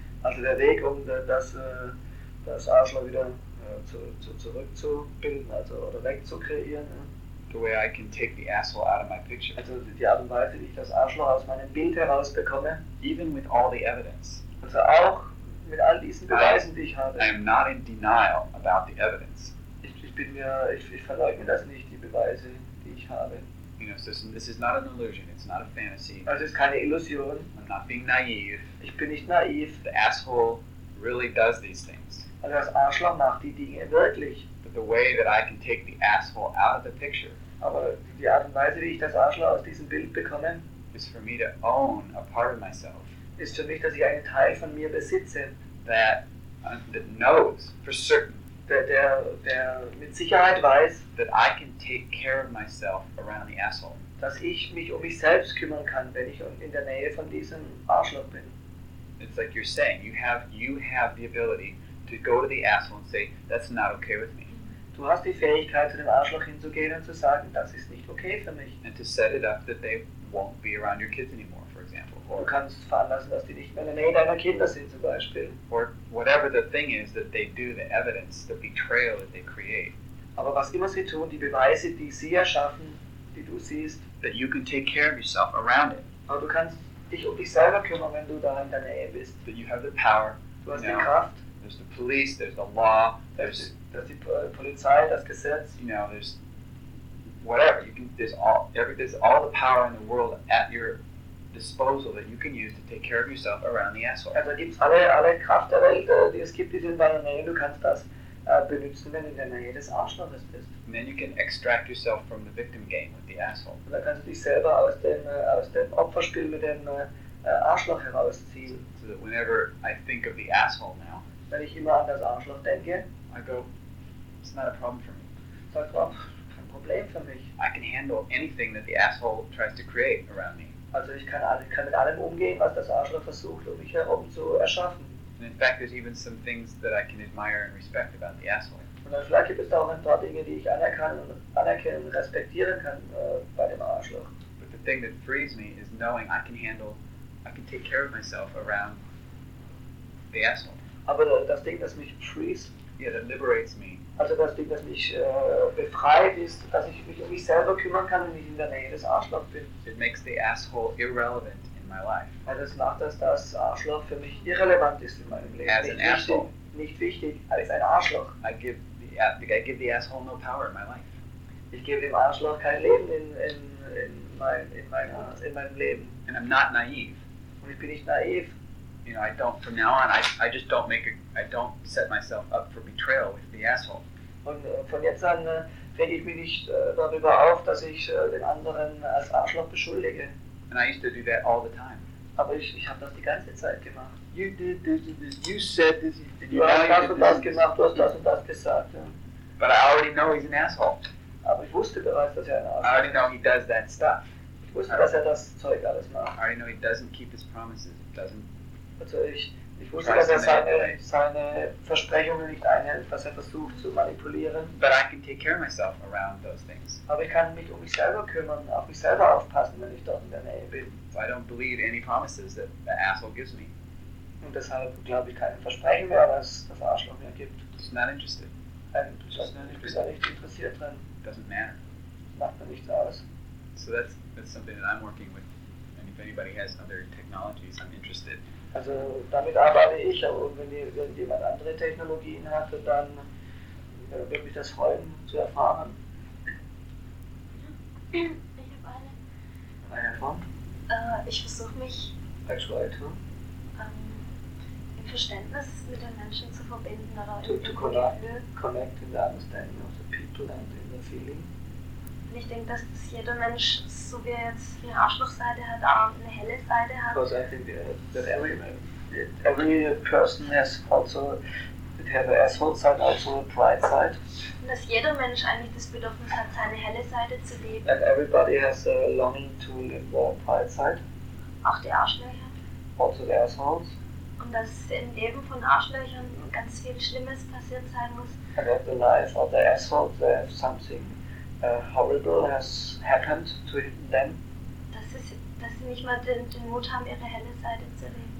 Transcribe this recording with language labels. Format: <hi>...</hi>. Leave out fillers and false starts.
<de>Also der Weg, um das Arschloch wieder zurückzubilden, also oder wegzukreieren.</de> <en>The way I can take the asshole out of my picture.</en> <de>Also die Art und Weise, wie ich das Arschloch aus meinem Bild herausbekomme.</de> <en>Even with all the evidence.</en> <de>Also auch mit all diesen Beweisen, die ich habe.</de> <en>I am not in denial about the evidence.</en> <de>Ich verleugne das nicht, die Beweise, die ich habe.</de> <en>You know, this is not an illusion. It's not a fantasy.</en> <de>Also es ist keine Illusion.</de> <en>I'm not being naive.</en> <de>Ich bin nicht naiv.</de> <en>The asshole really does these things.</en> <de>Also das Arschloch macht die Dinge wirklich.</de> <en>But the way that I can take the asshole out of the picture.</en> <de>Aber die Art und Weise, wie ich das Arschloch aus diesem Bild bekomme.</de> <en>Is for me to own a part of myself.</en> <de>Ist für mich, dass ich einen Teil von mir besitze.</de> <en>That knows for certain.</en> <de>Der mit Sicherheit weiß.</de> <en>That I can take care of myself around the asshole.</en> <de>Dass ich mich um mich selbst kümmern kann, wenn ich in der Nähe von diesem Arschloch bin.</de> <en>It's like you're saying, you have the ability to go to the asshole and say, that's not okay with me.</en> <de>Du hast die Fähigkeit, zu dem Arschloch hinzugehen und zu sagen, das ist nicht okay für mich.</de> <en>And to set it up that they won't be around your kids anymore, for example.</en> <de>Or, du kannst veranlassen, dass die nicht mehr in der Nähe deiner Kinder sind, zum Beispiel.</de> <en>Or whatever the thing is that they do, the evidence, the betrayal that they create.</en> <de>Aber was immer sie tun, die Beweise, die sie erschaffen, die du siehst,</de> <en>that you can take care of yourself around it.</en> <de>Aber du kannst dich um dich selber kümmern, wenn du da in der Nähe bist.</de> <en>That you have the power.</en> <de>Du hast die Kraft.</de> <en>There's the police, there's the law, there's...</en> <de>Dass die Polizei, das Gesetz.</de> <en>You know, there's whatever. There's all the power in the world at your disposal that you can use to take care of yourself around the asshole.</en> <de>Also gibt's alle Kraft der Welt, die es gibt, die sind in deiner Nähe. Du kannst das benutzen, wenn du in der Nähe des Arschloches bist.</de> <en>And then you can extract yourself from the victim game with the asshole.</en> <de>Und dann kannst du dich selber aus dem Opferspiel mit dem Arschloch herausziehen.</de> <en>So that whenever I think of the asshole now,</en> <de>wenn ich immer an das Arschloch denke,</de> <en>I go, it's not a problem for me.</en> <de>Sag, oh, kein Problem für mich.</de> <en>I can handle anything that the asshole tries to create around me.</en> <de>Also ich kann mit allem umgehen, was das Arschloch versucht, um mich herum zu erschaffen.</de> <en>And in fact, there's even some things that I can admire and respect about the asshole.</en> <de>Und dann vielleicht gibt es da auch ein paar Dinge, die ich anerkennen, respektieren kann bei dem Arschloch.</de> <en>But the thing that frees me is knowing I can take care of myself around the asshole.</en> <de>Aber das Ding, das mich frees,</de> <en>yeah, that liberates me.</en> <de>Also das Ding, das mich befreit, ist, dass ich mich um mich selber kümmern kann, wenn ich in der Nähe des Arschlochs bin.</de> <en>It makes the asshole irrelevant. My life.</en> <de>Also es macht, dass das Arschloch für mich irrelevant ist in meinem Leben.</de> <en>As an asshole.</en> <de>Nicht wichtig, als ein Arschloch.</de> <en>I give the asshole no power in my life.</en> <de>Ich gebe dem Arschloch kein Leben in meinem Leben.</de> <en>And I'm not naive.</en> <de>Und ich bin nicht naiv.</de> <en>You know, I don't, from now on, I just don't make a, I don't set myself up for betrayal with the asshole.</en> <de>Und von jetzt an reg ich mich nicht darüber auf, dass ich den anderen als Arschloch beschuldige.</de> <en>And I used to do that all the time.</en> <de>Aber ich habe das die ganze Zeit gemacht.</de> <en>You did this and this. You said this.</en> <de>Du hast das und das gemacht. Du hast das und das gesagt.</de> <en>But I already know he's an asshole.</en> <de>Aber ich wusste bereits, dass er ein Arschloch ist.</de> <en>I already know he does that stuff.</en> <de>Ich wusste, dass er das Zeug alles macht.</de> <en>I already know he doesn't keep his promises. He doesn't.</en> <de>Also ich wusste, dass er seine Versprechungen nicht einhält, dass er versucht zu manipulieren.</de> <en>But I can take care of myself around those things.</en> <de>Aber ich kann mich um mich selber kümmern, auf mich selber aufpassen, wenn ich dort in der Nähe bin.</de> <en>So I don't believe any promises that the asshole gives me.</en> <de>Und deshalb glaube ich keine Versprechen mehr, was das Arschloch mir gibt.</de> <en>Just not interested.</en> <de>Ich bin da nicht interessiert dran.</de> <en>Doesn't matter.</en> <de>Macht mir nichts aus.</de> <en>So that's something that I'm working with. And if anybody has other technologies, I'm interested.</en> <de>Also damit arbeite ich, aber wenn jemand andere Technologien hat, dann würde mich das freuen zu erfahren. Ich habe eine. Eine Form? Ich versuche mich im Verständnis mit den Menschen zu verbinden.</de> <en>To connect in the understanding of the people and in the feeling.</en> <de>Und ich denke, dass jeder Mensch, so wie er jetzt eine Arschlochseite hat, auch eine helle Seite hat.</de> <en>Because I think that every person has also, it has an asshole side, also a bright side.</en> <de>Und dass jeder Mensch eigentlich das Bedürfnis hat, seine helle Seite zu leben.</de> <en>And everybody has a longing to live more bright side.</en> <de>Auch die Arschlöcher.</de> <en>Also the assholes.</en> <de>Und dass im Leben von Arschlöchern ganz viel Schlimmes passiert sein muss.</de> <en>And that the life of the assholes, they have something horrible has happened to them.</en> <de>Dass sie nicht mal den Mut haben, ihre helle Seite zu leben.</de>